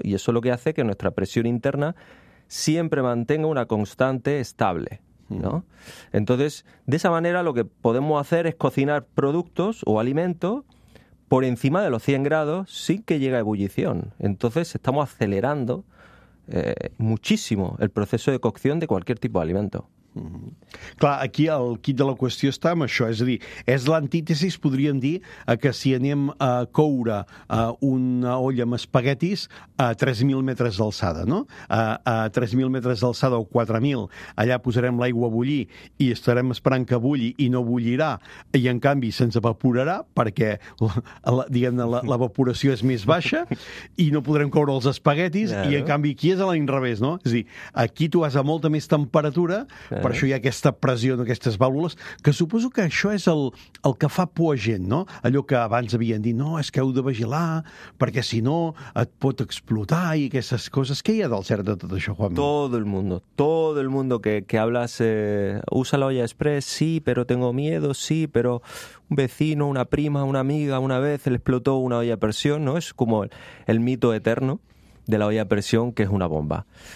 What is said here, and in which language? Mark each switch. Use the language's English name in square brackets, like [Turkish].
[Spanish] Y eso es lo que hace que nuestra presión interna siempre mantenga una constante estable, ¿no? Entonces, de esa manera lo que podemos hacer es cocinar productos o alimentos por encima de los 100 grados, sin que llegue a ebullición. Entonces, estamos acelerando muchísimo el proceso de cocción de cualquier tipo de alimento. [Catalan] Clar, aquí el quid de la qüestió està amb això, és a dir, és l'antítesi, podríem dir, que si anem a coure una olla amb espaguetis a 3.000 metres d'alçada, no? A 3.000 metres d'alçada o 4.000, allà posarem l'aigua a bullir i estarem esperant que bulli i no bullirà, i en canvi se'ns evaporarà perquè, diguem-ne, l'evaporació és més baixa i no podrem coure els espaguetis, claro. I en canvi aquí és a l'inrevés, no? És a dir, aquí tu vas a molta més temperatura. Per això hi ha aquesta pressió en aquestes vàlvules, que suposo que això és el que fa por a gent, no? Allò que abans havien dit, no, és que heu de vigilar, perquè si no et pot explotar i aquestes coses. Què hi ha del cert de tot això, Juanmi? [Spanish] Todo el mundo que hablas, usa la olla express, sí, pero tengo miedo, sí, pero un vecino, una prima, una amiga, una vez le explotó una olla a presión, ¿no? Es como el mito eterno de la olla a presión, que es una bomba.